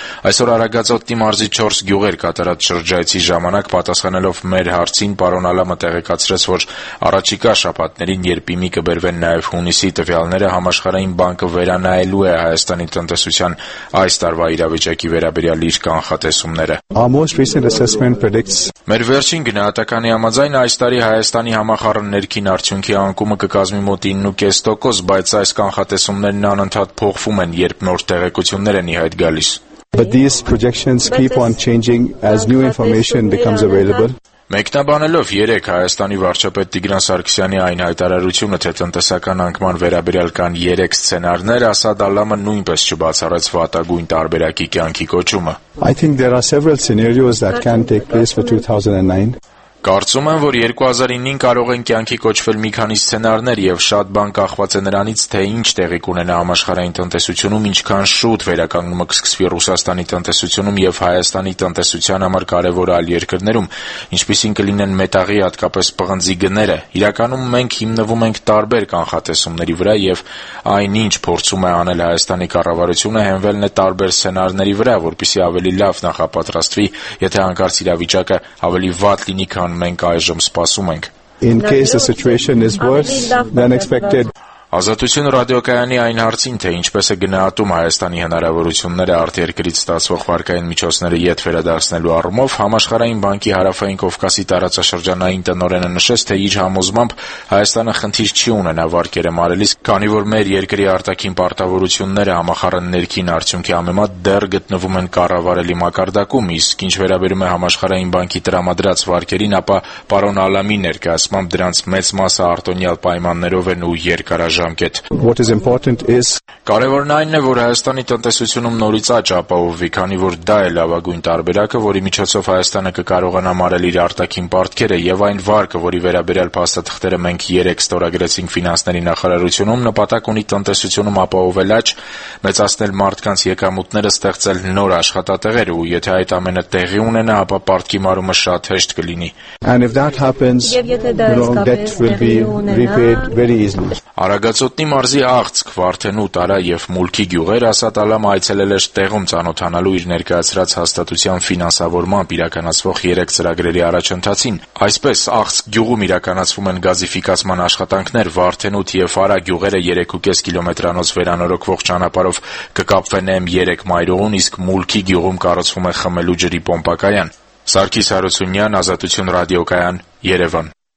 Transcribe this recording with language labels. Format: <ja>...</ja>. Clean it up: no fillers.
<hy>Այսօր Արագածոտի մարզի 4 գյուղեր կատարած շրջայցի ժամանակ պատասխանելով մեր հարցին, պարոն Ալամը տեղեկացրեց, որ առաջիկա շաբաթներին, երբ իմի կբերվեն նաև հունիսի տվյալները, Համաշխարհային բանկը վերանայելու է Հայաստանի տնտեսության այս տարվա իրավիճակի վերաբերյալ իր կանխատեսումները։ Մեր վերջին գնահատականի համաձայն այս տարի Հայաստանի համախառը ներքին արդյունքի անկումը կկազմի մոտ 9%, բայց այս կանխատեսումներն անընդհատ փոխվում են, երբ նոր տեղեկություններ են ի հայտ գալիս։</hy> <en>But these projections keep on changing as new information becomes available.</en> <hy>Մեկնաբանելով 3 Հայաստանի վարչապետ Տիգրան Սարգսյանի այն հայտարարությունը, թե տնտեսական անկման վերաբերյալ կան 3 սցենարներ, Ասադ Ալլամը նույնպես չբացառեց վատագույն տարբերակի կյանքի կոչումը.</hy> <en>I think there are several scenarios that can take place for 2009.</en> <hy>Կարծում եմ, որ 2009-ին կարող են կյանքի կոչվել մի քանի սցենարներ եւ շատ բան կախված է նրանից, թե ինչ տեղի կունենա համաշխարհային տնտեսությունում, ինչքան շուտ վերականգնումը կսկսվի Ռուսաստանի տնտեսությունում եւ Հայաստանի տնտեսության համար կարեւոր այլ երկրներում, ինչպիսին կլինեն մետաղի, հատկապես պղնձի գները։ Իրականում մենք հիմնվում ենք տարբեր կանխատեսումների վրա եւ այնինչ փորձում է անել Հայաստանի կառավարությունը հենվելն է տարբեր սցենարների վրա, որպեսզի ավելի լավ նախապատրաստվի, եթե հանկարծ իրավիճակը ավելի վատ լինի, քան մենք այժմ սպասում ենք.</hy> <en>In case the situation is worse than expected.</en> <hy>Ազատություն ռադիոկայանի այն հարցին, թե ինչպես է գնահատում Հայաստանի հնարավորությունները արտերկրից ստացվող վարկային միջոցները ետ վերադարձնելու առումով, Համաշխարհային բանկի հարավային Կովկասի տարածաշրջանային տնօրենը նշեց, թե իր համոզմամբ Հայաստանը խնդիր չի ունենա վարկերը մարելիս, քանի որ մեր երկրի արտաքին պարտավորությունները համախառն ներքին արդյունքի համեմատ դեռ գտնվում են կառավարելի մակարդակում, իսկ ինչ վերաբերում է Համաշխարհային բանկի տրամադրած վարկերին, ապա պարոն Ալլամի ներկայացմամբ դրանց մեծ մասը արտոնյալ պայմաններով են ու երկարաժամկետ.</hy> <en>What is important is</en> <hy>Կարևորն այն է, որ Հայաստանի տնտեսությունում նորից աճ ապահովվի, քանի որ դա է լավագույն տարբերակը, որի միջոցով Հայաստանը կկարողանա մարել իր արտաքին պարտքերը, եւ այն վարկը, որի վերաբերյալ փաստաթղթերը մենք 3 ստորագրեցինք ֆինանսների նախարարությունում, նպատակ ունի տնտեսությունում ապահովել աճ, մեծացնել մարդկանց եկամուտները, ստեղծել նոր աշխատատեղեր, ու եթե այդ ամենը տեղի ունենա, ապա պարտքի մարումը շատ հեշտ կլինի։</hy> <en>And if that happens, debt will be repaid very easily.</en> <hy>Արագածոտնի մարզի աղցք, Վարդենուտ, Արա և Մուլքի գյուղեր Ասադ Ալլամը այցելել էր տեղում ծանոթանալու իր ներկայացրած հաստատության ֆինանսավորմամբ իրականացվող 3 ծրագրերի առաջընթացին։ Այսպես, աղցք գյուղում իրականացվում են գազիֆիկացման աշխատանքներ, Վարդենուտ և Արա գյուղերը 3.5 կիլոմետրանոց վերանորոգվող ճանապարհով կկապվեն M3 մայրուղուն, իսկ Մուլքի գյուղում կառուցվում է խմելու ջրի պոմպակայան։ Սարգիս Հարությունյան, Ազատություն ռադիոկայան, Երևան։</hy>